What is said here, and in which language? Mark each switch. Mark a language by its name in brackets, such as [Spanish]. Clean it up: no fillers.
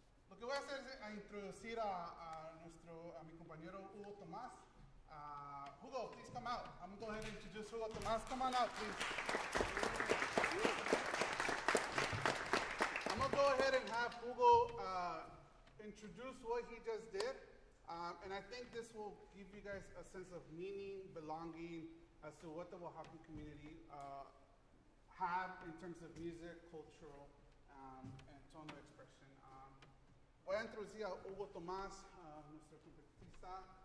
[Spanish] Lo que voy a hacer es a introducir a mi compañero Hugo Tomás. [English] Hugo, please come out. I'm going to go ahead and introduce Hugo Tomás. Come on out, please. I'm going to go ahead and have Hugo introduce what he just did. And I think this will give you guys a sense of meaning, belonging, as to what the Oaxacan community have in terms of music, cultural, and tonal expression. [Spanish] Voy a introducir a Hugo Tomás, nuestro trompetista.